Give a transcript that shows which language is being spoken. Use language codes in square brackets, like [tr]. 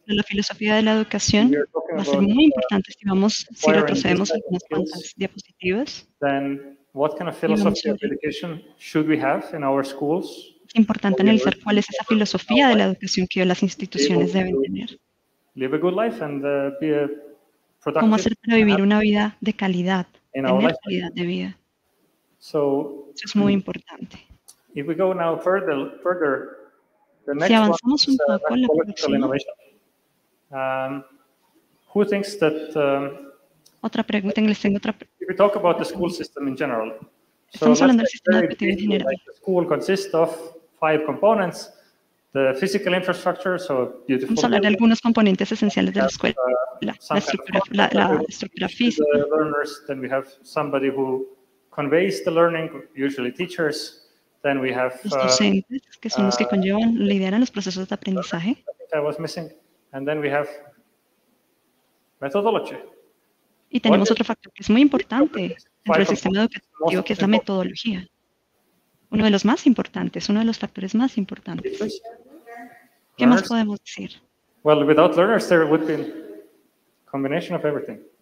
[es] La filosofía de la educación va a ser muy importante si vamos si retrocedemos algunas cuantas diapositivas. [en] Then what kind of philosophy of education should we have in our schools? [es] Es importante analizar cuál es esa filosofía de la educación que las instituciones deben tener. [en] Live a good life and be a productive. [es] ¿Cómo hacer para vivir una vida de calidad? Tener calidad de vida. [en] So, [es] eso es muy importante. [en] If we go now further, the next [es] si avanzamos un poco, la próxima. [en] Who thinks that, [es] otra pregunta, les tengo otra pregunta. [en] If we talk about the school system in general. [es] Estamos [en] so, [es] hablando del sistema educativo en general. [en] Like the school consists of five components. The physical infrastructure, so beautiful. [es] Vamos a hablar de algunos componentes esenciales de la escuela. La estructura física. [en] The learners, then we have somebody who conveys the learning, usually teachers. Then we have [es] docentes, que son los que conllevan, lideran los procesos de aprendizaje. [en] I was missing. And then we have methodology. [es] Y tenemos otro factor que es muy importante dentro del sistema educativo, que es la metodología. Uno de los más importantes, uno de los factores más importantes. ¿Qué más podemos decir? [en] Well, without learners, there would be a combination of everything.